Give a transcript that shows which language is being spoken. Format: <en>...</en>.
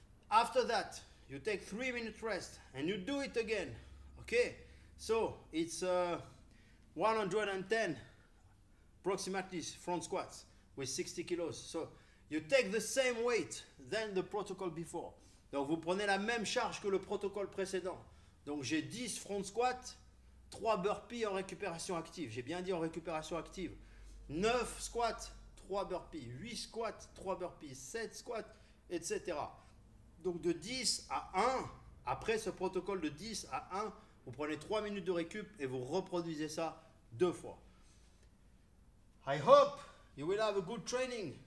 <en>After that, you take 3 minutes rest and you do it again. Okay, so it's 110 approximately front squats with 60 kilos. So you take the same weight than the protocol before.</en> <fr>Donc vous prenez la même charge que le protocole précédent. Donc j'ai 10 front squats, 3 burpees en récupération active. J'ai bien dit en récupération active. 9 squats, 3 burpees. 8 squats, 3 burpees. 7 squats, etc. Donc de 10 à 1, après ce protocole de 10 à 1, vous prenez 3 minutes de récup et vous reproduisez ça deux fois.</fr> <en>I hope you will have a good training.</en>